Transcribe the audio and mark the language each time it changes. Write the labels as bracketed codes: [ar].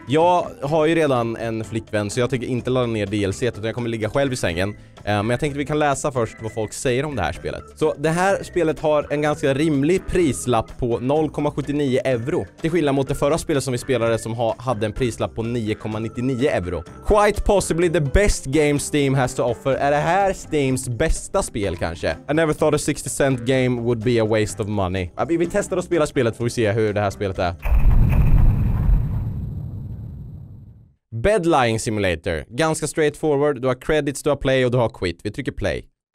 [sv] Jag har ju redan en flickvän så jag tänker inte ladda ner DLC utan jag kommer ligga själv i sängen. Men jag tänkte att vi kan läsa först vad folk säger om det här spelet. Så det här spelet har en ganska rimlig prislapp på 0,79 euro. Till skillnad mot det förra spelet som vi spelade som hade en prislapp på 9,99 euro. [en] Quite possibly the best game Steam has to offer. [sv] Är det här Steams bästa spel kanske? [en] I never thought a 60 cent game would be a waste of money. [sv] Vi testar att spela spelet för att se hur det här spelet är. Bedlying Simulator. Ganska straightforward. Du har credits, du har play och du har quit. Vi trycker play.